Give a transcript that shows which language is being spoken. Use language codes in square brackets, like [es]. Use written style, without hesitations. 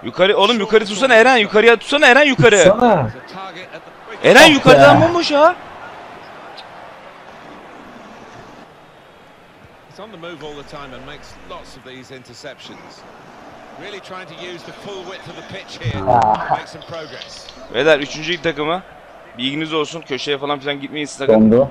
[tr] Yukarı oğlum yukarı tutsana Eren. Yukarıya tutsana Eren yukarı. Tutsana. Eren oh yukarıdan mı olmuş ha? [en] On the move all the time and makes lots of these interceptions. Really trying to use the full width of the pitch here. Make some progress. [tr] Beyler üçüncü ilk takımı. Bilginiz olsun. Köşeye falan filan gitmeyin sakın.